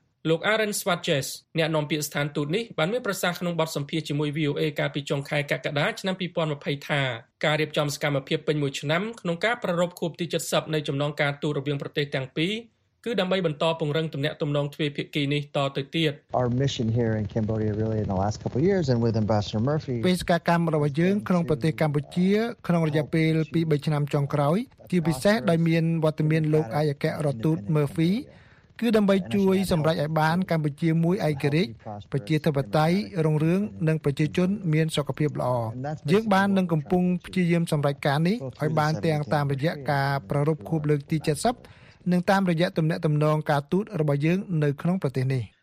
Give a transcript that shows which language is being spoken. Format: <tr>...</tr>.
<km>លោក Aaron Swatches អ្នកនាំពាក្យស្ថានទូតនេះបានមានប្រសាសន៍ក្នុងបទសម្ភាសន៍ជាមួយ VOA កាលពីចុងខែកក្កដាឆ្នាំ2020ថាការរៀបចំសកម្មភាពពេញមួយឆ្នាំក្នុងការប្រារព្ធខួបទី70នៃចំណងការទូតរវាងប្រទេសទាំងពីរគឺដើម្បីបន្តពង្រឹងទំនាក់ទំនងទ្វេភាគីនេះតទៅទៀត</km> <en>Our mission here in Cambodia really in the last couple of years and with Ambassador Murphy</en> <km>បេសកកម្មរបស់យើងក្នុងប្រទេសកម្ពុជាក្នុងរយៈពេល 2-3 ឆ្នាំចុងក្រោយជាពិសេសដោយមានវត្តមានលោកឯកអគ្គរដ្ឋទូត Murphy គឺដើម្បីជួយសម្រេចឲ្យបានកម្ពុជាមួយឯករាជ្យប្រជាធិបតេយ្យរុងរឿងនិងប្រជាជនមានសុខភាពល្អយើងបាននឹងកំពុងព្យាយាមសម្រេចការនេះឲ្យបានទាំងតាមរយៈការប្រារព្ធខួបលើកទី70និងតាមរយៈទំនាក់ទំនងការទូតរបស់យើងនៅក្នុងប្រទេសនេះ</km>